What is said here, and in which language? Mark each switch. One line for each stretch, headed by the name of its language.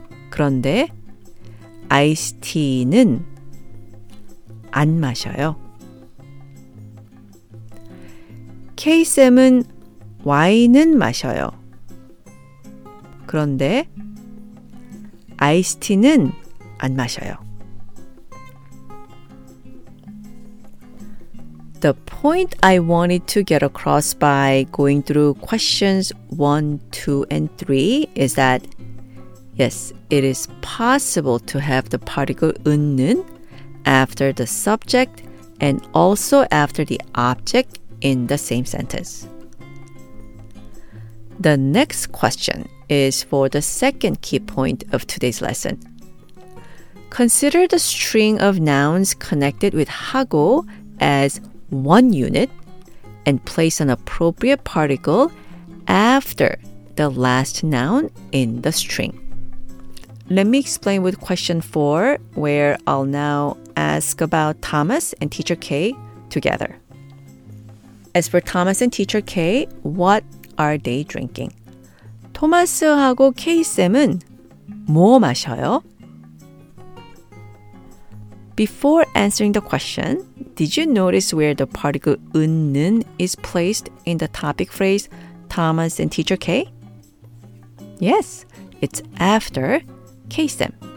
Korean: 그런데 아이스티는 안 마셔요. K쌤은 와인은 마셔요. 그런데 아이스티는 안 마셔요.
English: The point I wanted to get across by going through questions 1, 2, and 3 is that, yes, it is possible to have the particle 은는 after the subject and also after the object in the same sentence. The next question is for the second key point of today's lesson. Consider the string of nouns connected with 하고 as one unit and place an appropriate particle after the last noun in the string. Let me explain with question 4, where I'll now ask about Thomas and Teacher K together. As for Thomas and Teacher K, what are they drinking?
Korean: 토마스하고 K쌤은 뭐 마셔요?
English: Before answering the question, did you notice where the particle 은는 is placed in the topic phrase Thomas and Teacher K? Yes, it's after K쌤.